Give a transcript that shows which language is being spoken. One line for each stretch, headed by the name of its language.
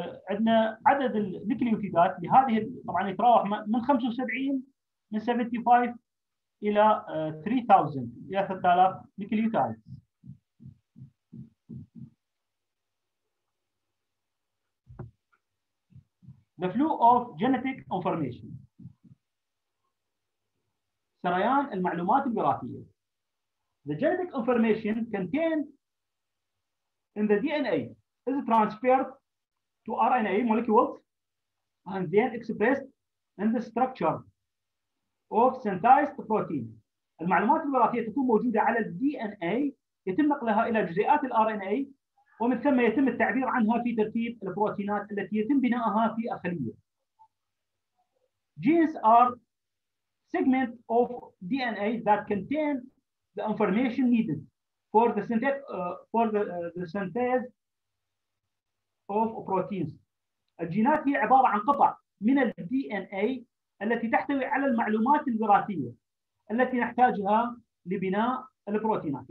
Arabic: عندنا عدد النكليوتيدات لهذه طبعاً يتراوح من 75 من 75 إلى 3000 إلى 3000 نكليوتيد.
English: The flow of genetic information،
Arabic: سريان المعلومات الوراثية.
English: The genetic information contained in the DNA is transferred to RNA molecules and then expressed in the structure of synthesized protein.
Arabic: المعلومات الوراثية تكون موجودة على الـ DNA، يتم نقلها إلى جزيئات الـ RNA، ومن ثم يتم التعبير عنها في ترتيب البروتينات التي يتم بناءها في الخلية.
English: Genes are segment of DNA that contain the information needed for the synthesis the synthesis of proteins.
Arabic: الجينات هي عبارة عن قطع من الـ DNA التي تحتوي على المعلومات الوراثية التي نحتاجها لبناء البروتينات.